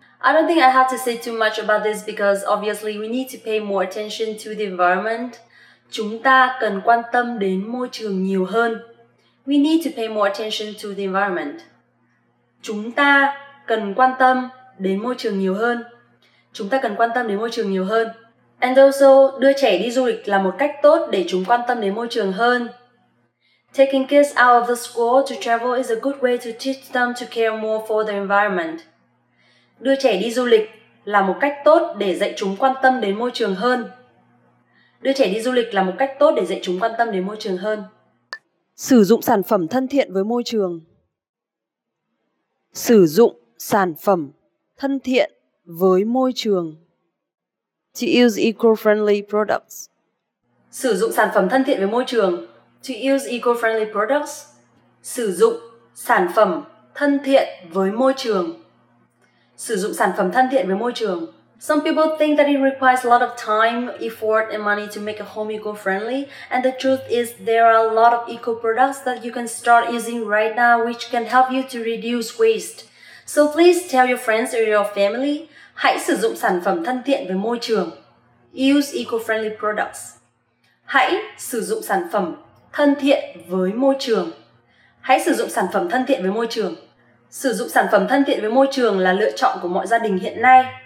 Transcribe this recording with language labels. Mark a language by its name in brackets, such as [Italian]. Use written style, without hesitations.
[English] I don't think I have to say too much about this because obviously we need to pay more attention to the environment. [Vietnamese] Chúng ta cần quan tâm đến môi trường nhiều hơn. [English] We need to pay more attention to the environment. [Vietnamese] Chúng ta cần quan tâm đến môi trường nhiều hơn. Chúng ta cần quan tâm đến môi trường nhiều hơn. [English] And also, [Vietnamese] đưa trẻ đi du lịch là một cách tốt để chúng quan tâm đến môi trường hơn. [English] Taking kids out of the school to travel is a good way to teach them to care more for the environment. [Vietnamese] Đưa trẻ đi du lịch là một cách tốt để dạy chúng quan tâm đến môi trường hơn. Đưa trẻ đi du lịch là một cách tốt để dạy chúng quan tâm đến môi trường hơn. Sử dụng sản phẩm thân thiện với môi trường. Sử dụng sản phẩm thân thiện với môi trường. [English] To use eco-friendly products. [Vietnamese] Sử dụng sản phẩm thân thiện với môi trường. [English] To use eco-friendly products. [Vietnamese] Sử dụng sản phẩm thân thiện với môi trường. Sử dụng sản phẩm thân thiện với môi trường. [English] Some people think that it requires a lot of time, effort, and money to make a home eco-friendly. And the truth is there are a lot of eco-products that you can start using right now which can help you to reduce waste. So please tell your friends or your family, [Vietnamese] hãy sử dụng sản phẩm thân thiện với môi trường. [English] Use eco-friendly products. [Vietnamese] Hãy sử dụng sản phẩm thân thiện với môi trường. Hãy sử dụng sản phẩm thân thiện với môi trường. Sử dụng sản phẩm thân thiện với môi trường là lựa chọn của mọi gia đình hiện nay.